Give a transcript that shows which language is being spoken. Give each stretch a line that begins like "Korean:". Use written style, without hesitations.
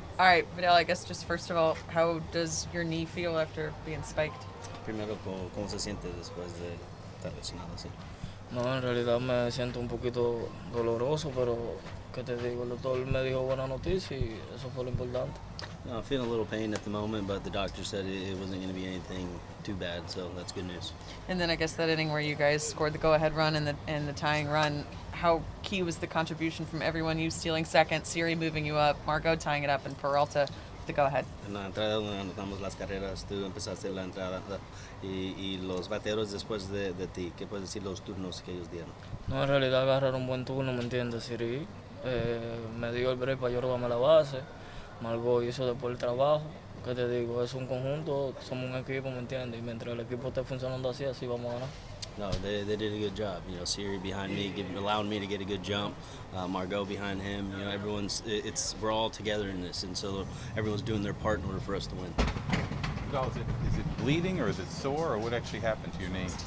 English: All right, Vidal, I guess just first of all, how does your knee feel after being spiked?
Spanish: Primero, ¿cómo se siente después de estar lesionado así? No, en realidad me siento un poquito doloroso, pero ¿qué te digo? El doctor me dijo buena noticia y eso fue lo importante.
English: No, I'm feeling a little pain at the moment, but the doctor said it wasn't going to be anything too bad, so that's good news. And then I guess that inning where you guys scored the go-ahead run and the tying run, how key was the contribution from everyone? You stealing second, Siri moving you up, Margot tying it up, and Peralta with the go-ahead.
Spanish: En la entrada donde anotamos las carreras, tú empezaste la entrada, y los bateros después de ti, ¿qué puedes decir los turnos que ellos dieron? No, en realidad agarraron un buen turno, ¿me entiendes, Siri? Me dio el break para yo robarme la base. Margot hizo después el trabajo, que te digo, es un conjunto, somos un equipo, ¿me entiendes? Y mientras el equipo esté funcionando así, así vamos a ganar.
English: No, they did a good job. You know, Siri behind me, allowing me to get a good jump. Margot behind him. You know, we're all together in this, and so everyone's doing their part in order for us to win. Is it bleeding or is it sore or what actually happened to your knee?